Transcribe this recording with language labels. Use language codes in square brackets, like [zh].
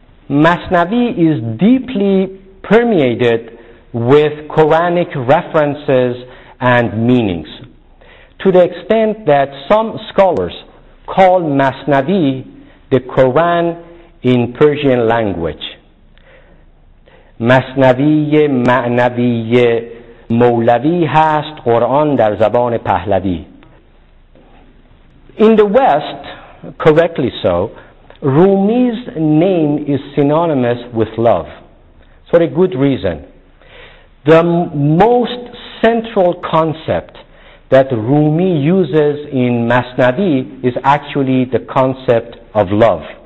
[en] Masnavi is deeply permeated with Quranic references and meanings, to the extent that some scholars call Masnavi the Quran in Persian language. [fa] مثنوی معنوی مولوی هست قرآن در زبان پهلوی. [en] In the West, correctly so, Rumi's name is synonymous with love, for a good reason. The most central concept that Rumi uses in Masnavi is actually the concept of love.